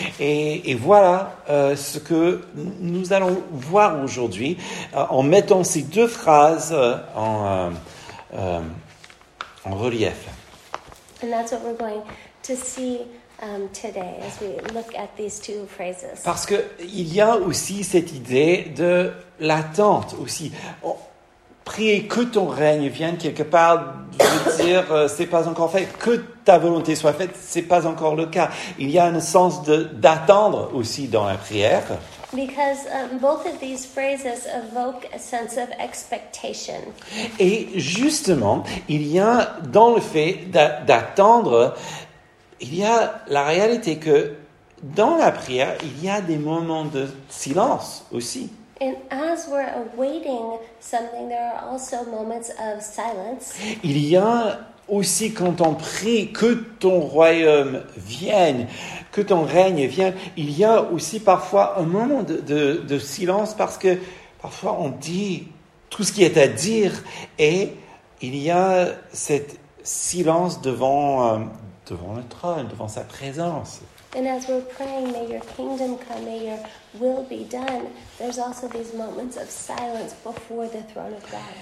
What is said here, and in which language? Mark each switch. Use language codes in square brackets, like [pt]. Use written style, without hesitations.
[fr] Et voilà ce que nous allons voir aujourd'hui en mettant ces deux phrases en relief. [en] And that's what we're going to see today as we look at these two phrases. [fr] Parce que il y a aussi cette idée de l'attente aussi. Prier que ton règne vienne quelque part veut dire c'est pas encore fait, que ta volonté soit faite, c'est pas encore le cas. Il y a un sens d'attendre aussi dans la prière. [en] Because both of these phrases evoke a sense of expectation. [fr] Et justement, il y a dans le fait d'attendre, il y a la réalité que dans la prière, il y a des moments de silence aussi. [en] And as we're awaiting something, there are also moments of silence. [fr] Il y a aussi quand on prie que ton royaume vienne, que ton règne vienne, il y a aussi parfois un moment de silence parce que parfois on dit tout ce qui est à dire et il y a cette silence devant le trône, devant sa présence. [en] And as we're praying, may your kingdom come, may your will be done, there's also these moments of silence before the throne of God.